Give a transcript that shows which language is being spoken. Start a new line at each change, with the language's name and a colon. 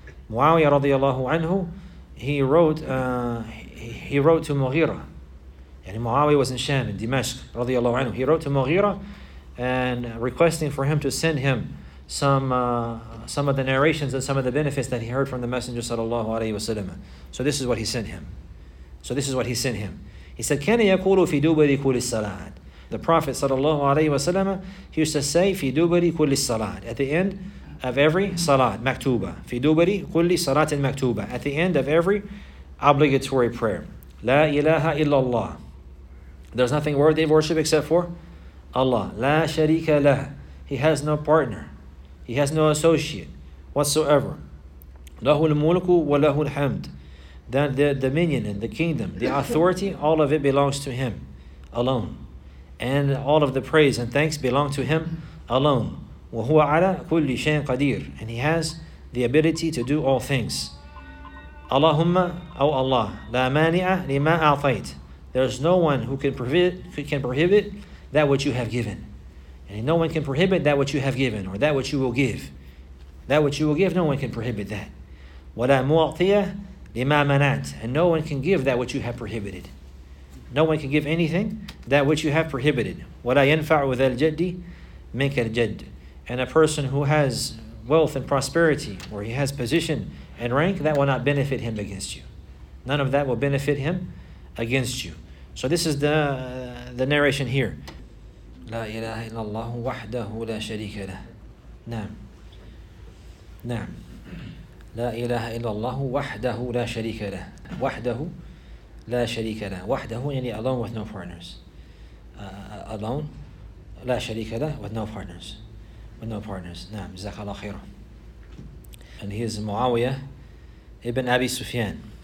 English: Muawiyah radiallahu anhu, he wrote to Mughira. And Muawiyah was in Sham, in Dimashq radiallahu anhu. He wrote to Mughira and requesting for him to send him some of the narrations and some of the benefits that he heard from the Messenger sallallahu alayhi wa sallam. So this is what he sent him. He said,
Arabic: كَنَ يَقُولُ فِي دُبَرِ كُلِ الصَّلَاةِ.
English: The Prophet sallallahu alayhi wa sallam, he used to say,
Arabic: فِي دُبَرِ كُلِ الصَّلَاةِ.
English: At the end of every salat, maktuba.
Arabic: فِي دُبَرِ كُلِ صَلَاةٍ maktuba.
English: At the end of every obligatory prayer.
Arabic: لَا إِلَهَ إِلَّا اللَّهِ.
English: There's nothing worthy of worship except for Allah.
Arabic: لا شريك له.
English: He has no partner. He has no associate whatsoever.
Arabic: له الملك وله الحمد.
English: That the dominion and the kingdom, the authority, all of it belongs to him alone. And all of the praise and thanks belong to him alone.
Arabic: وهو على كل شيء قدير.
English: And he has the ability to do all things.
Arabic: اللهم أو الله لا مانع لما أعطيت.
English: There's no one who can prohibit that which you have given. And no one can prohibit that which you have given or that which you will give. That which you will give, no one can prohibit that.
Arabic: وَلَا مُعْطِيَ لِمَا مَنَعْتَ.
English: And no one can give that which you have prohibited. No one can give anything that which you have prohibited.
Arabic: وَلَا يَنْفَعُ ذَا الْجَدِّ مِنْكَ الْجَدِّ.
English: And a person who has wealth and prosperity or he has position and rank, that will not benefit him against you. None of that will benefit him against you. So this is the narration here.
Arabic: لا إله إلا الله وحده لا شريك له. نعم. نعم. لا إله إلا الله وحده لا شريك له. وحده لا شريك له. وحده يعني
English: alone with no partners. Alone
Arabic: لا شريك له
English: with no partners. With no partners.
Arabic: نعم. جزاك الله خيرا.
English: And he is
Arabic: معاوية ابن أبي سفيان.